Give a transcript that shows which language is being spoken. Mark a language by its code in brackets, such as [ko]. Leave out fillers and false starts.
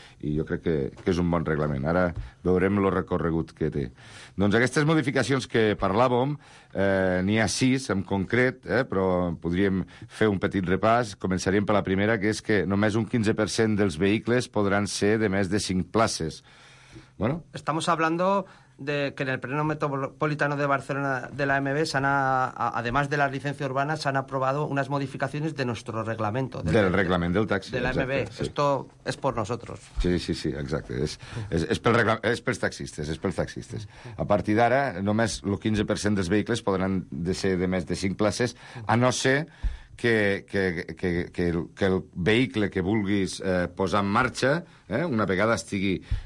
[ca] I jo crec que és un bon reglament. Ara veurem el recorregut que té. Doncs aquestes modificacions que parlàvem, n'hi ha 6 en concret, però podríem fer un petit repàs. Començaríem per la primera, que és que només un 15% dels vehicles podran ser de més de 5 places. Bueno. [es] Estamos hablando de que en el pleno metropolitano de Barcelona de la AMB, además de la licencia urbana, se han aprobado unas modificaciones de nuestro reglamento. Del reglamento del taxi. De la AMB. Sí. Esto es por nosotros. [ca] Sí, sí, sí, exacte. És pels taxistes, és pels taxistes. A partir d'ara, només el 15% dels vehicles podran ser de més de 5 places, a no ser que el vehicle que vulguis posar en marxa, una vegada estigui...